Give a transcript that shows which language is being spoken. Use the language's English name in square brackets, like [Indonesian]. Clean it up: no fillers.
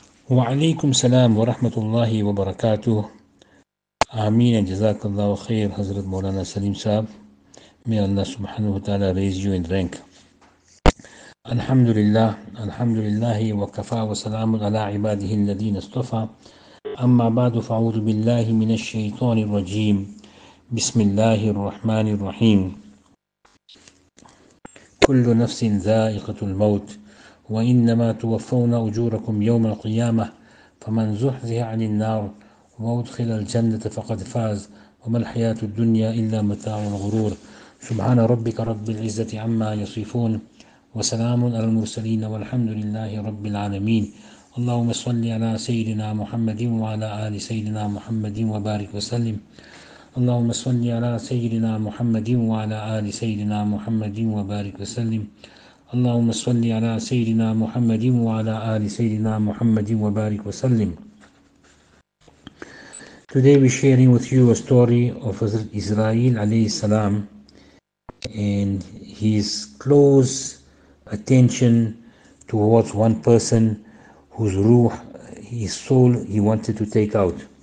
[Arabic] وعليكم السلام ورحمة الله وبركاته. آمين. جزاك الله خير حضرت مولانا سليم صاحب. [English] May Allah [Arabic] سبحانه وتعالى [English] raise you in rank. [Arabic] الحمد لله الحمد لله وكفى وسلام على عباده الذين اصطفى. أما بعد، فأعوذ بالله من الشيطان الرجيم. بسم الله الرحمن الرحيم. كل نفس ذائقة الموت وإنما توفون أجوركم يوم القيامة فمن زحزح عن النار وأدخل الجنة فقد فاز وما الحياة الدنيا إلا متاع الغرور. سبحان ربك رب العزة عما يصفون وسلام على المرسلين والحمد لله رب العالمين. اللهم صل على سيدنا محمد وعلى آل سيدنا محمد وبارك وسلم. اللهم صل على سيدنا محمد وعلى آل سيدنا محمد وبارك وسلم. اللهم صل على سيدنا محمد وعلى آل سيدنا محمد وبارك وسلم. [English] Today we're sharing with you a story of Hazrat Israel alayhi salam and his close attention towards one person whose ruh, his soul, he wanted to take out.